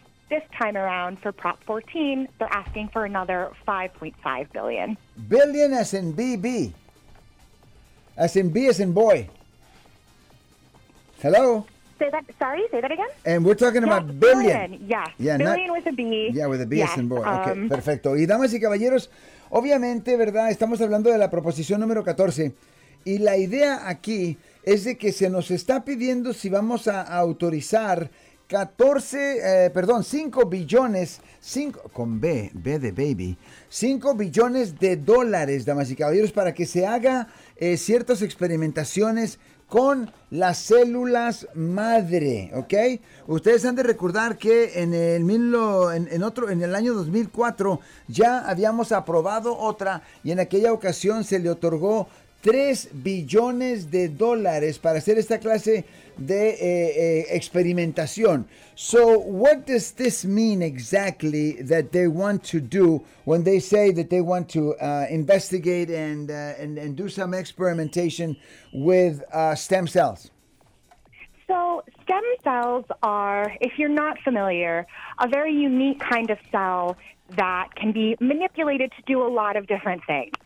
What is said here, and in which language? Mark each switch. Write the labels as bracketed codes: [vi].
[en] This time around for Prop 14, they're asking for another $5.5 billion. Billion as in BB. As in B as in boy. Hello? Say that again? And we're talking about billion. Yes. Yeah, billion not, with a B. Yeah, with a B yes. As in boy. [es] Okay, perfecto. Y damas y caballeros, obviamente, ¿verdad? Estamos hablando de la proposición número 14 y la idea aquí es de que se nos está pidiendo si vamos a autorizar 5 billones de dólares, damas y caballeros, para que se haga ciertas experimentaciones con las células madre, ¿ok? Ustedes han de recordar que en el año 2004 ya habíamos aprobado otra y en aquella ocasión se le otorgó 3 billones de dólares para hacer esta clase de experimentación. [en] So, what does this mean exactly that they want to do when they say that they want to investigate and do some experimentation with stem cells? So, stem cells are, if you're not familiar, a very unique kind of cell that can be manipulated to do a lot of different things.